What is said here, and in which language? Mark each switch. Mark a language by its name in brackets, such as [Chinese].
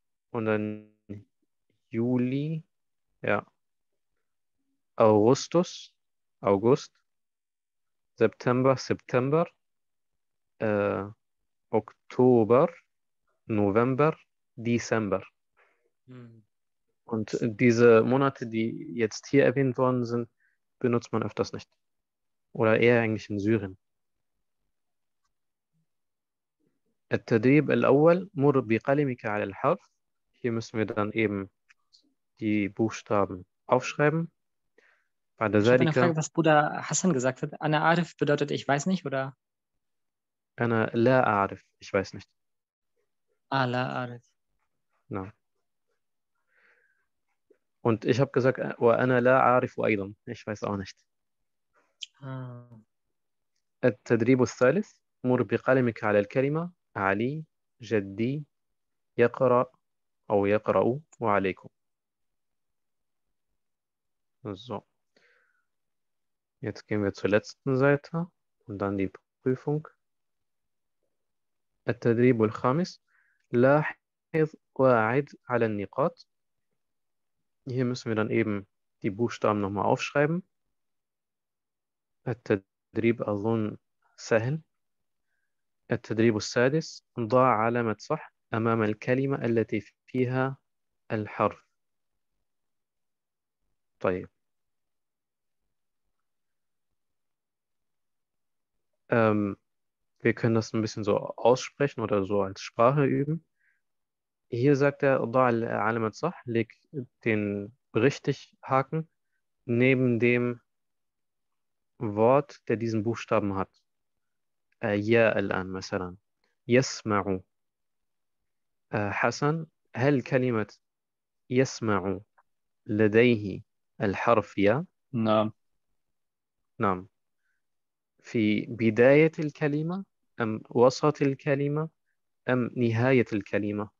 [German] Und dann Juli, ja, Augustus, August, September, Oktober, November, Dezember. Und diese Monate, die jetzt hier erwähnt worden sind, benutzt man öfters nicht. Oder eher eigentlich in Syrien. [Arabic] التدريب الأول مر بقلمك على الحرف. [German] Hier müssen wir dann eben die Buchstaben aufschreiben. Bei der Ich habe eine Seite. Frage, was Bruder Hassan gesagt hat. [Arabic] Ana Arif [German] bedeutet, ich weiß nicht, oder? [Arabic] Ana la Arif, [German] ich weiß nicht. [Arabic] Ala Arif. [German] Nein. Und ich habe gesagt, [Arabic] wa ana la Arif aydan, [German] ich weiß auch nicht. [Arabic] التدريب الثالث مر بقلمك على الكلمة علي جدي يقرأ أو يقرأ وعليكم. [German] So. Jetzt gehen wir zur letzten Seite und dann die Prüfung. [Arabic] التدريب الخامس لاحظ واعد على النقاط. [German] Hier müssen wir dann eben die Buchstaben nochmal aufschreiben. [Arabic] التدريب أظن سهل. التدريب السادس ضع علامة صح أمام الكلمة التي فيها الحرف. طيب. [German] Wir können das ein bisschen so aussprechen oder so als Sprache üben. Hier sagt er, [Arabic] ضع علامة صح, [German] leg den richtig Haken neben dem Wort, der diesen Buchstaben hat. Ja, [Arabic] الآن مثلا. يسمع. حسن, هل كلمة يسمع لديه الحرف يا؟ نعم. نعم. في بداية الكلمة أم وسط الكلمة أم نهاية الكلمة؟